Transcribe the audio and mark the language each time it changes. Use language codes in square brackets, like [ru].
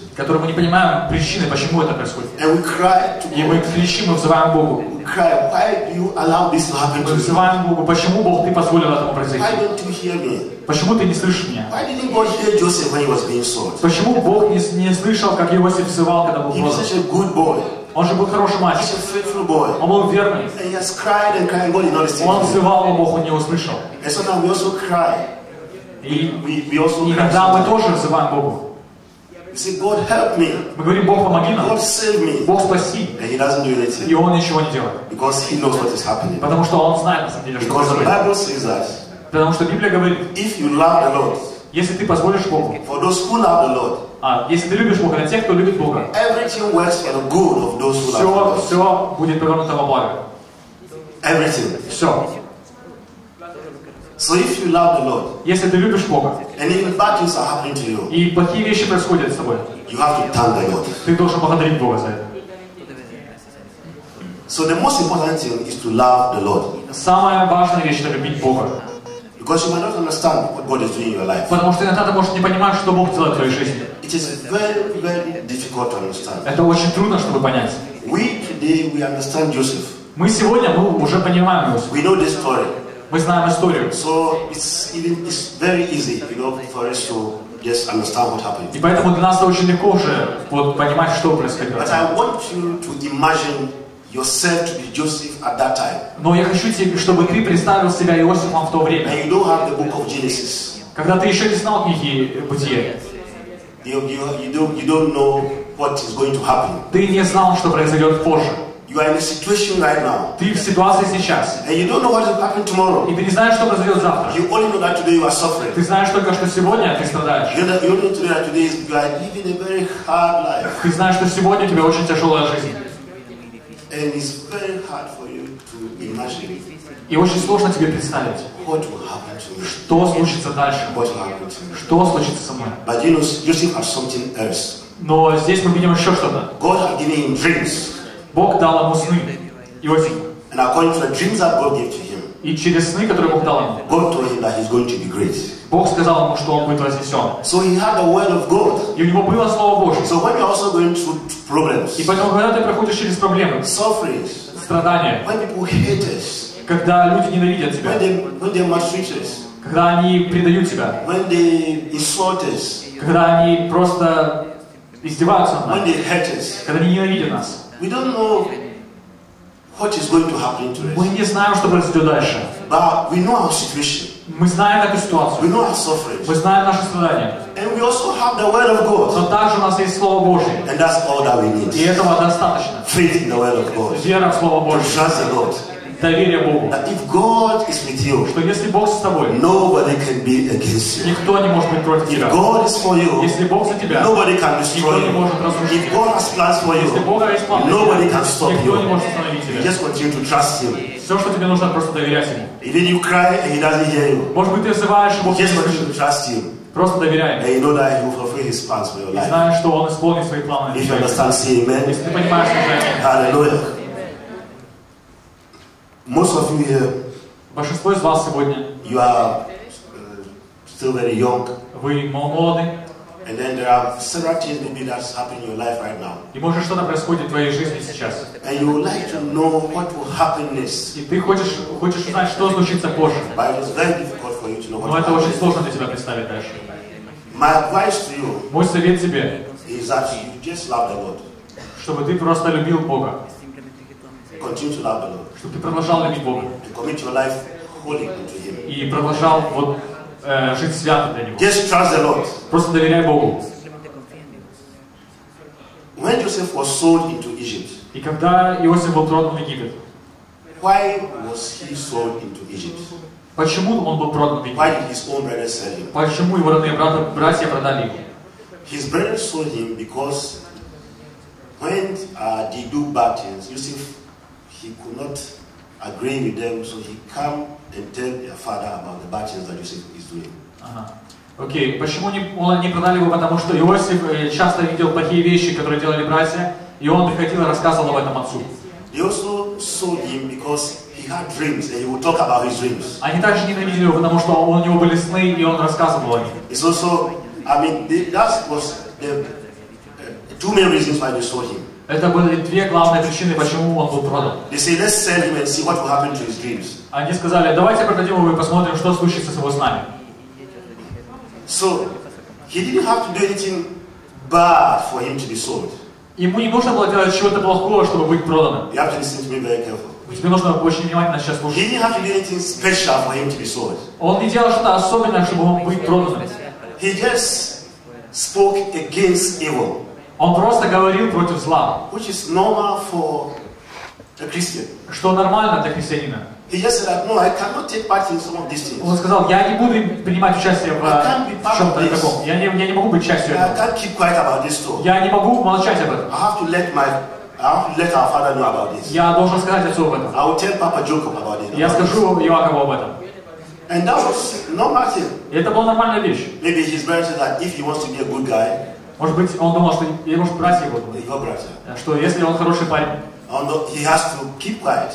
[ru] Которые мы не понимаем причины, почему это происходит. [en] And we cry to God. [ru] И мы кричим и взываем Богу. [en] We cry, why do you allow this to happen to me? [ru] Мы взываем Богу, почему Бог ты позволил этому произойти? [en] Why don't you hear me? [ru] Почему ты не слышишь меня? [en] Why didn't God hear Joseph when he was being sold? [ru] Почему Бог не слышал, как Иосиф взывал, когда был продан? [en] He was such a good boy. [ru] Он же был хороший мальчик. [en] He's a faithful boy. [ru] Он был верный. [en] And he has cried and cried, God did not listen. [ru] Он взывал, но Бог не услышал. [en] And sometimes we also cry. We also cry. [ru] Иногда мы тоже взываем Богу. [en] He said, "God help me." [ru] Мы говорим, Бог помоги нам. [en] God save me. [ru] Бог спаси. [en] And he doesn't do anything. [ru] И он ничего не делает. [en] Because he knows what is happening. [ru] Потому что он знает, на самом деле, что происходит. [en] Because the Bible says that. [ru] Потому что Библия говорит. [en] If you love the Lord. [ru] Если ты позволишь Богу. [en] For those who love the Lord. [ru] А если ты любишь Бога, для тех, кто любит Бога. [en] Everything works for the good of those who love the Lord. [ru] Все будет повернуто во благо. [en] Everything. [ru] Все. [en] So if you love the Lord, [ru] если ты любишь Бога, [en] and even bad things are happening to you, [ru] и плохие вещи происходят с тобой, [en] you have to thank the Lord. [ru] Ты должен благодарить Бога за это. [en] So the most important thing is to love the Lord. [ru] Самая важная вещь — это любить Бога. [en] Because you might not understand what God is doing in your life. [ru] Потому что иногда ты можешь не понимать, что Бог делает в твоей жизни. [en] It is very, very difficult to understand. [ru] Это очень трудно, чтобы понять. [en] We today we understand Joseph. [ru] Мы сегодня мы уже понимаем Иосифа. [en] We know the story. [ru] Мы знаем историю. [en] So it's very easy, you know, for us to just understand what happened. [ru] И поэтому для нас очень легко уже вот понимать, что происходило. [en] But I want you to imagine yourself to be Joseph at that time. [ru] Но я хочу тебе, чтобы ты представил себя Иосифом в то время. [en] And you don't have the book of Genesis. [ru] Когда ты еще не знал книги Бытия. [en] You don't know what is going to happen. [ru] Ты не знал, что произойдет позже. [en] You are in a situation right now. [ru] Ты в ситуации сейчас. [en] And you don't know what will happen tomorrow. [ru] И ты не знаешь, что произойдет завтра. [en] You only know that today you are suffering. [ru] Ты знаешь только, что сегодня ты страдаешь. [en] You only know that today you are living a very hard life. [ru] Ты знаешь, что сегодня у тебя очень тяжелая жизнь. [en] And it's very hard for you to imagine. [ru] И очень сложно тебе представить, [en] what will happen to me? [ru] Что случится дальше, [en] what will happen to me? [ru] Что случится со мной. [en] But you know, Joseph has something else. [ru] Но здесь мы видим еще что-то. [en] God has given him dreams. [ru] Бог дал ему сны, Иосифу. [en] And according to the dreams that God gave to him, [ru] и через сны, которые Бог дал ему, [en] God told him that he's going to be great. [ru] Бог сказал ему, что он будет вознесен. [en] So he had the word of God. [ru] И у него было Слово Божье. [en] So when you're also going through problems, [ru] и поэтому, когда ты проходишь через проблемы, [en] suffering, [ru] страдания, [en] when people hate us, [ru] когда люди ненавидят тебя, [en] when they mistreat us, [ru] когда они предают тебя, [en] when they insult us, [ru] когда они просто издеваются над [en] нами, when they hate us, [ru] когда они ненавидят нас, [en] we don't know what is going to happen to us. [ru] Мы не знаем, что произойдет дальше. [en] But we know our situation. [ru] Мы знаем эту ситуацию. [en] We know our suffering. [ru] Мы знаем наше страдание. [en] And we also have the word of God. [ru] Но также у нас есть Слово Божье. [en] And that's all that we need. [ru] И этого достаточно. [en] Faith in the word of God. [ru] Вера в Слово Божье. [en] To trust in God. [ru] Доверие Богу. [en] That if God is with you, [ru] что если Бог с тобой, [en] nobody can be against you. [ru] Никто не может быть против тебя. [en] If God is for you, [ru] если Бог за тебя, [en] nobody can destroy [ru] никто [en] you. [ru] Не может разрушить тебя. [en] If God has plans for you, [ru] если Бога есть планы, [en] nobody can stop [ru] никто [en] you. [ru] Не может остановить тебя. [en] You just continue to trust him. [ru] Все, что тебе нужно, просто доверять ему. [en] And then you cry and he doesn't hear you. [ru] Может быть, ты взываешь, Бог [en] just continue to trust him. [ru] Просто доверяй ему. [en] And you know that he will fulfill his plans for your life. [ru] И знаешь, что он исполнит свои планы. [en] If you understand, say amen. [ru] Если ты понимаешь, что это. [en] Hallelujah. Most of you here, [ru] большинство из вас сегодня, [en] you are still very young, [ru] вы молоды, [en] and then there are several things maybe that's happening in your life right now. [ru] И может что-то происходит в твоей жизни сейчас. [en] And you would like to know what will happen next. [ru] И ты хочешь знать, что случится позже. [en] But it's very difficult for you to know what. [ru] Но это очень сложно для тебя представить дальше. [en] My advice to you, [ru] мой совет тебе, [en] is that you just love the Lord. [ru] Чтобы ты просто любил Бога. [en] Continue to love the Lord. [ru] Чтобы ты продолжал любить Бога. [en] To commit your life wholly to Him. [ru] И продолжал вот жить свято для Него. [en] Just trust the Lord. [ru] Просто доверяй Богу. [en] When Joseph was sold into Egypt. [ru] И когда Иосиф был продан в Египет. [en] Why was he sold into Egypt? [ru] Почему он был продан в Египет? [en] Why did his own brothers sell him? [ru] Почему его родные братья продали его? [en] His brothers sold him because when they do bad things, Joseph. He could not agree with them, so he came and tell their father about the bad things that Joseph is doing. [ru] Okay. Почему не продали его? Потому что Иосиф часто видел плохие вещи, которые делали братья, и он приходил и рассказывал об этом отцу. [en] They also sold him because he had dreams, and he would talk about his dreams. [ru] Они также ненавидели его, потому что у него были сны, и он рассказывал о них. [en] It's also, I mean, that was the two main reasons why they sold him. [ru] Это были две главные причины, почему он был продан. [en] They say, let's sell him and see what will happen to his dreams. [ru] Они сказали, давайте продадим его и посмотрим, что случится с его снами. [en] So, he didn't have to do anything bad for him to be sold. [ru] Ему не нужно было делать чего-то плохого, чтобы быть проданным. [en] You have to listen to me very carefully. [ru] Тебе нужно очень внимательно сейчас слушать. [en] He didn't have to do anything special for him to be sold. [ru] Он не делал что-то особенное, чтобы он быть проданным. [en] He just spoke against evil. [ru] Он просто говорил против зла. [en] Which is normal for a Christian. [ru] Что нормально для христианина. [en] He just said that, no, I cannot take part in some of these things. [ru] Он сказал, я не буду принимать участие в чем-то таком. Я не могу быть частью этого. [en] I can't keep quiet about this too. [ru] Я не могу молчать об этом. [en] I have to let my our father know about this. [ru] Я должен сказать отцу об этом. [en] I will tell Papa Jacob about it. [ru] Я скажу Иакову об этом. [en] And that was normal thing. [ru] Это была нормальная вещь. [en] Maybe his brother said that if he wants to be a good guy. [ru] Может быть, он думал, что я может брать его. Его братья. Что если он хороший парень. [en] He has to keep quiet.